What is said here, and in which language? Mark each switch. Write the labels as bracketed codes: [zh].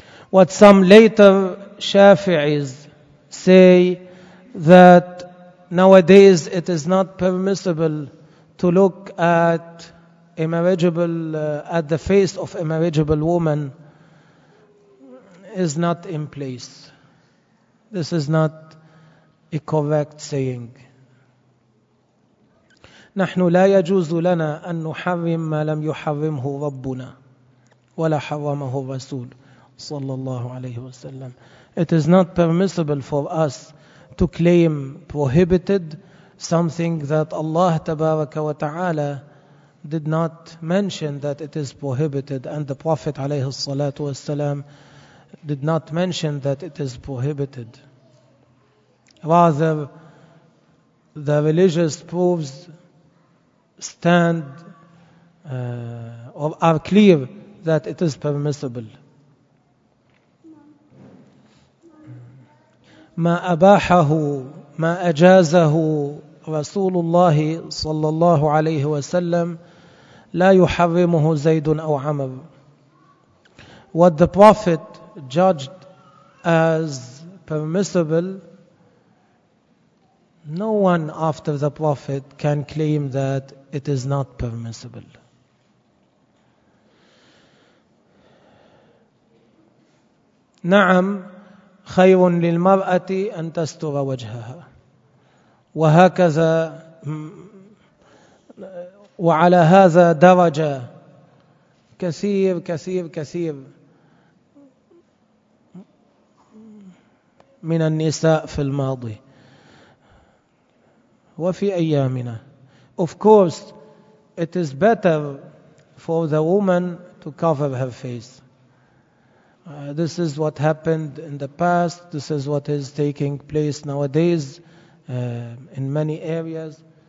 [en] What some later Shafi'is say that nowadays it is not permissible to look at a marriageable at the face of a marriageable woman is not in place. This is not a correct saying. [ar] نحن لا يجوز لنا أن نحرم ما لم يحرمه ربنا ولا حرمه الرسول صلى الله عليه وسلم. [en] It is not permissible for us to claim prohibited something that Allah [ar] تبارك وتعالى [en] did not mention that it is prohibited, and the Prophet [ar] عليه الصلاة والسلام [en] did not mention that it is prohibited. Rather, the religious proofs stand or are clear that it is permissible. [ar] ما أباحه ما أجازه رسول الله صلى الله عليه وسلم لا يحرمه زيد أو عمر. [en] What the Prophet judged as permissible, no one after the Prophet can claim that it is not permissible. [ar] نعم خير للمرأة أن تستر وجهها وهكذا وعلى هذا درجة كثير كثير كثير من النساء في الماضي وفي أيامنا. [en] Of course, it is better for the woman to cover her face. This is what happened in the past. This is what is taking place nowadays in many areas.